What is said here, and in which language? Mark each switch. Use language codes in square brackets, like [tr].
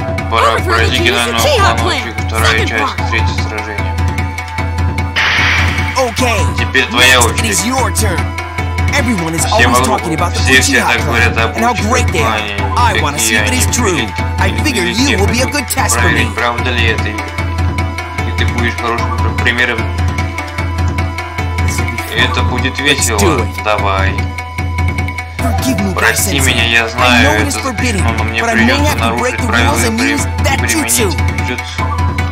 [ru] Пора пройти генерального плана, вторая часть, третье сражение. Теперь твоя очередь. [en] Everyone is always talking about the Uchiha and how great they are. I want to see if it is true. I figure you will be a good test for me. [ru] Правда ли это? И ты будешь хорошим примером. Это будет весело. Давай. Прости меня, я знаю это. Но мне придется нарушить правила и применить джутсу.